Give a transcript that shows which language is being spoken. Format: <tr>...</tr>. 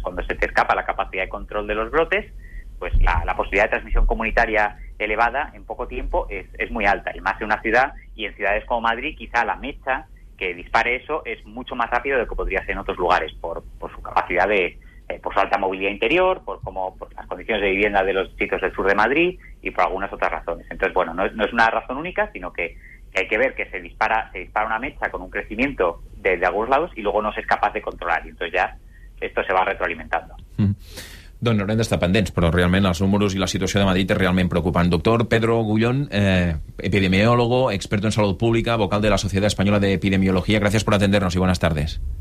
<es>Cuando se te escapa la capacidad de control de los brotes, pues la posibilidad de transmisión comunitaria elevada en poco tiempo es muy alta, y más en una ciudad, y en ciudades como Madrid quizá la mecha que dispare eso es mucho más rápido de lo que podría ser en otros lugares por su capacidad de por su alta movilidad interior, por las condiciones de vivienda de los sitios del sur de Madrid y por algunas otras razones. Entonces, bueno, no es una razón única, sino que hay que ver que se dispara una mecha con un crecimiento de algunos lados y luego no se es capaz de controlar. Y entonces ya esto se va retroalimentando.</es> <ca>Doncs haurem d'estar pendents, però realment els números i la situació de Madrid és realment preocupant.</ca> <es>Doctor Pedro Gullón, epidemiólogo, experto en salud pública, vocal de la Sociedad Española de Epidemiología, gracias por atendernos y buenas tardes.</es>